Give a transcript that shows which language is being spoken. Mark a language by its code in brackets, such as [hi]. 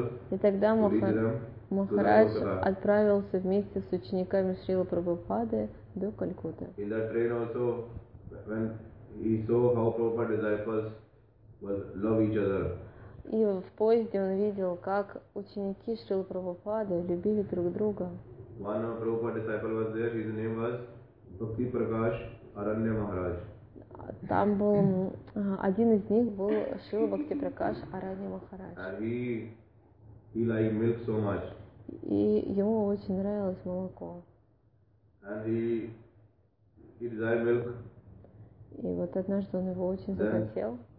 [ru] И тогда Махарадж отправился вместе с учениками Шрилы Прабхупады до Калькутты. [en] In that train also, when he saw how Prabhupada disciples love each other. [ru] И в поезде он видел, как ученики Шрилы Прабхупады любили друг друга. [en] One of Prabhupada disciple was there. His name was Bhakti Prakash Aranya Maharaj. [ru] Там был один из них был Шрила Бхакти Пракаш Аранья Махарадж. [en] He liked milk so much. [ru] И ему очень нравилось молоко. [en] And he desired milk. [ru] И вот однажды он его очень захотел.